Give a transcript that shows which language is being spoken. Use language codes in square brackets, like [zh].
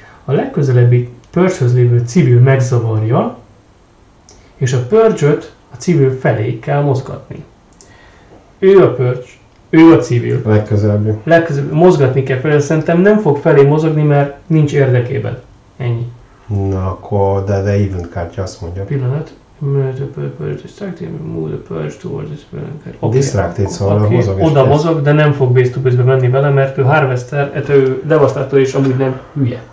[hu] A legközelebbi Purge-höz lévő civil megzavarja, és a Purge-öt a civil felé kell mozgatni. Ő a Purge, ő a civil. Legközelebbi. Legközelebbi. Mozgatni kell felé, szerintem nem fog felé mozogni, mert nincs érdekében. Ennyi. Na akkor, de event kártya azt mondja. Pillanat. Mert a [en] Purge distracted, move a Purge towards this villain card. Okay, distracted, [hu] akkor, szóval aki mozog oda mozog, de nem fog base to base-be menni vele, mert ő Harvester, ő Devastator és amúgy nem hülye.